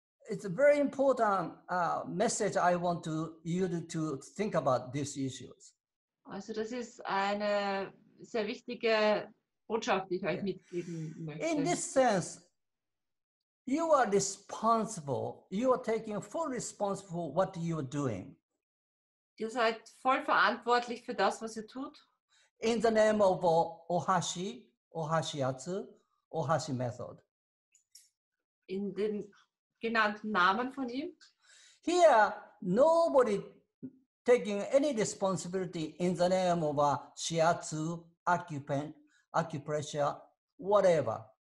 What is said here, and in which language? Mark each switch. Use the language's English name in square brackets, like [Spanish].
[English] It's a very important message I want to you to think about these issues. [German] Also, das ist eine sehr wichtige Botschaft, die ich euch mitgeben möchte. [English] In this sense, you are responsible. You are taking full responsibility for what you are doing. [German] Ihr seid voll verantwortlich für das, was ihr tut. [English] In the name of OHASHI, OHASHI Atsu, OHASHI Method. [German] In den genannten Namen von ihm. [English] Here, nobody taking any responsibility in the name of Shiatsu, acupressure, whatever.